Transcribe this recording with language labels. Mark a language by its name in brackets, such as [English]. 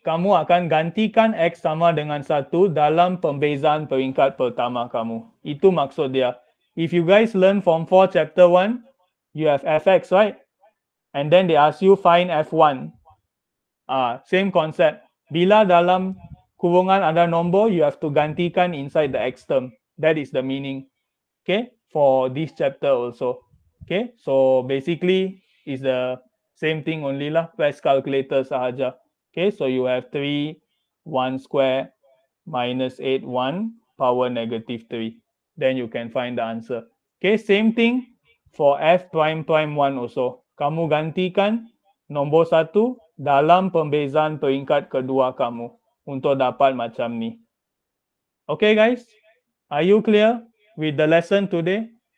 [Malay] Kamu akan gantikan x sama dengan 1 dalam pembezaan peringkat pertama kamu. Itu maksud dia. [English] If you guys learn from 4 chapter 1, you have fx, right? And then they ask you find f1. Same concept. [Malay] Bila dalam kurungan ada nombor, [English] you have to gantikan inside the x term. That is the meaning. Okay? For this chapter also. Okay? So basically, it's the same thing only lah. Press calculator sahaja. Okay? So you have 3, 1 square, minus 8, 1. power negative 3. Then you can find the answer. Okay, same thing for F prime prime 1 also. [Malay] Kamu gantikan nombor 1 dalam pembezaan peringkat kedua kamu untuk dapat macam ni. [English] Okay guys, are you clear with the lesson today?